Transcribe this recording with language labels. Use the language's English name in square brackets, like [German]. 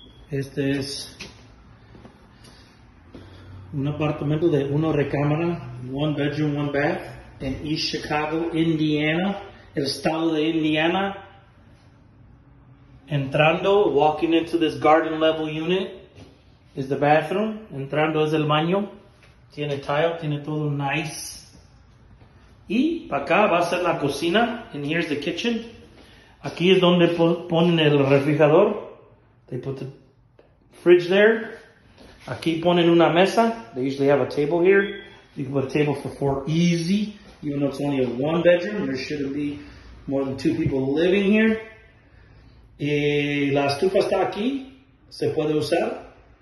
[Spanish] Este es un apartamento de una recámara, [English] one bedroom, one bath, [Spanish] en East Chicago, Indiana, el estado de Indiana. [English] Entrando, walking into this garden level unit, is the bathroom. [Spanish] Entrando es el baño. Tiene tile, tiene todo nice. Y para acá va a ser la cocina, [English] and here's the kitchen. [Spanish] Aquí es donde ponen el refrigerador. [English] They put the fridge there. [Spanish] Aquí ponen una mesa. [English] They usually have a table here. You can put a table for four easy. Even though it's only a one bedroom, there shouldn't be more than two people living here. [Spanish] Y la estufa está aquí. Se puede usar.